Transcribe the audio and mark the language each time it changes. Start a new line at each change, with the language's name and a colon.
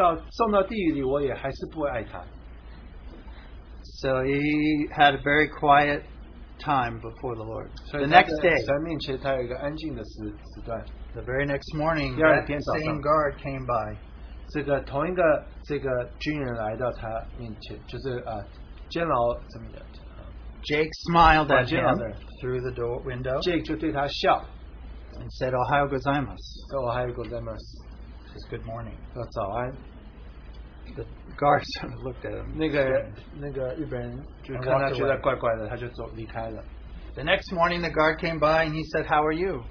Chinese: 他说我被送到地狱里我也还是不爱他。
English: So he had a very quiet time before the Lord. The next day, the very next morning, the same guard came by.
Chinese: 这个同一个军人来到他面前，就是监牢怎么的。
English: Jake smiled at him through the door window.
Chinese: Jake就对他笑，
English: and said,
Japanese: "Ohayou gozaimasu."
Chinese: 说
Japanese: "Ohayou gozaimasu."
English: Just good morning.
Chinese: 说早安。
English: The guard sort of looked at him.
Chinese: 那个日本人就看他觉得怪怪的，他就走离开了。
English: The next morning, the guard came by and he said, "How are you?"